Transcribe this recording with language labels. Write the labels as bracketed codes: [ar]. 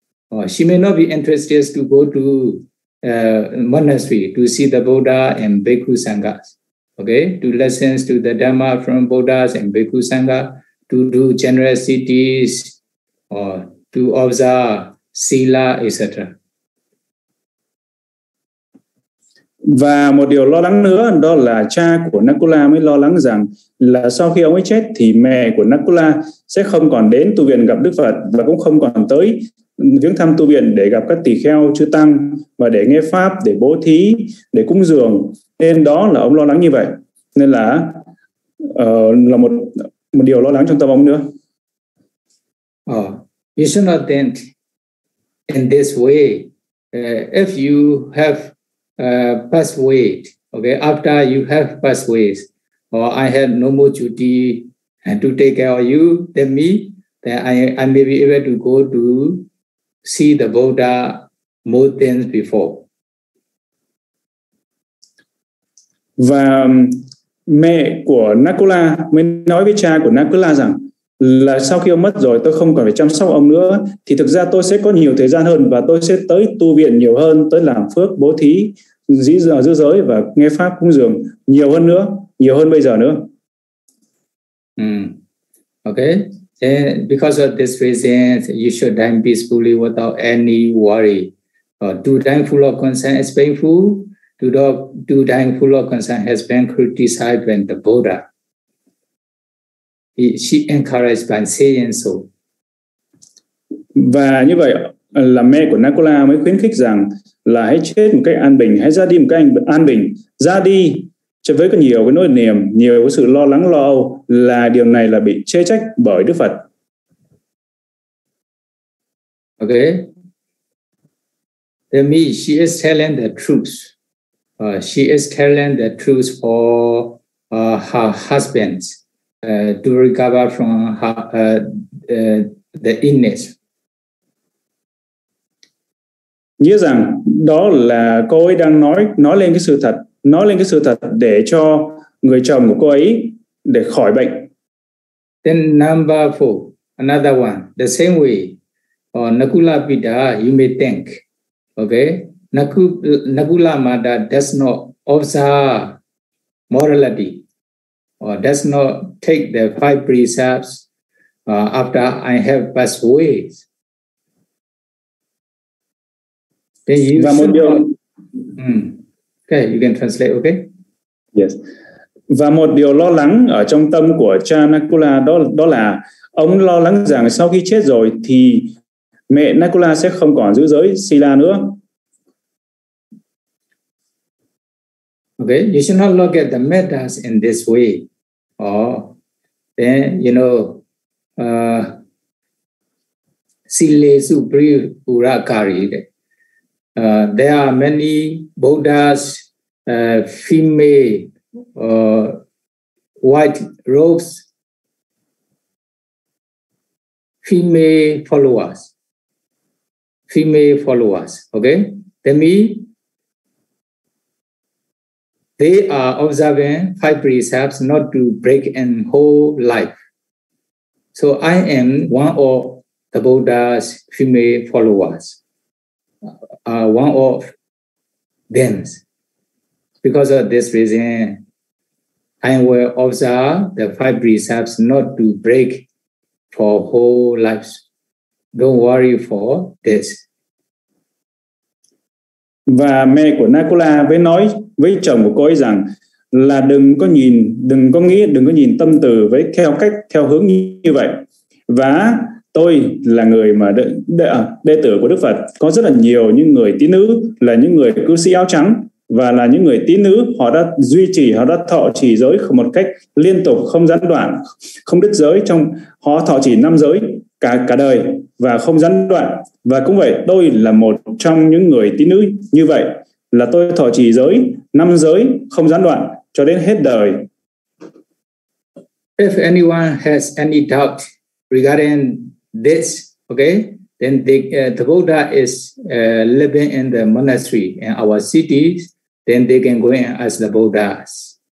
[en] Or she may not be interested to go to monastery to see the Buddha and Bhikkhu Sangha, okay? To listen to the Dhamma from Buddhas and Bhikkhu Sangha, to do generosities, or to observe Sila, etc. [vi] Và một điều lo lắng nữa đó là cha của Nakula mới lo lắng rằng là sau khi ông ấy chết thì mẹ của Nakula sẽ không còn đến tu viện gặp Đức Phật và cũng không còn tới viếng thăm tu viện để gặp các tỳ kheo chư tăng và để nghe pháp, để bố thí, để cúng dường, nên đó là ông lo lắng như vậy, nên là một điều lo lắng trong tâm ông nữa. [en] You should not think in this way if you have persuade, okay, after you have persuade, or I have no more duty to take care of you than me, then I may be able to go to see the Buddha more than before. [vi] Và mẹ của Nakula mới nói với cha của Nakula rằng là sau khi ông mất rồi tôi không còn phải chăm sóc ông nữa, thì thực ra tôi sẽ có nhiều thời gian hơn và tôi sẽ tới tu viện nhiều hơn, tới làm phước bố thí dĩ giờ giữ giới và nghe pháp cúng dường nhiều hơn bây giờ nữa. [en] Okay, and because of this reason, you should die peacefully without any worry. To die full of concern is painful. To die full of concern has been criticized by the Buddha. She encouraged by saying so. [vi] Và như vậy là mẹ của Nakula mới khuyến khích rằng là hãy chết một cách an bình, hãy ra đi một cách an bình, ra đi cho với có nhiều cái nỗi niềm, nhiều cái sự lo lắng lo âu, là điều này là bị chê trách bởi Đức Phật. [en] Okay. Then me, she is telling the truth. She is telling the truth for her husband to recover from her, the illness. [vi] Nghĩa rằng đó là cô ấy đang nói lên cái sự thật, nói lên cái sự thật để cho người chồng của cô ấy để khỏi bệnh. [en] Then number four, another one, the same way, Nakula Pita, you may think, okay, Nakula Mata does not observe morality, or does not take the five precepts after I have passed away. [vi] Và một điều [en] okay, you can translate, okay? Yes. [vi] Và một điều lo lắng ở trong tâm của cha Nakula đó là ông lo lắng rằng sau khi chết rồi thì mẹ Nakula sẽ không còn giữ giới Sila nữa. [en] Okay, you should not look at the matters in this way. Then you know Sile Supri Urakari. There are many Buddhas, female, white robes, female followers, okay? That means they are observing five precepts not to break in whole life. So I am one of the Buddha's female followers. One of them. Because of this reason, I will observe the five precepts not to break for whole lives. Don't worry for this. [vi] Và mẹ của Nakula mới nói với chồng của cô ấy rằng là đừng có nhìn, đừng có nghĩ, đừng có nhìn tâm từ với theo cách, theo hướng như vậy. Và tôi là người mà đệ tử của Đức Phật, có rất là nhiều những người tín nữ là những người cư sĩ áo trắng và là những người tín nữ, họ đã duy trì, họ đã thọ trì giới một cách liên tục, không gián đoạn, không đứt giới, trong họ thọ trì năm giới cả đời và không gián đoạn. Và cũng vậy, tôi là một trong những người tín nữ như vậy, là tôi thọ trì giới năm giới không gián đoạn cho đến hết đời. [en] If anyone has any doubt regarding this, okay, then the Buddha is living in the monastery in our city, then they can go in as the Buddhas.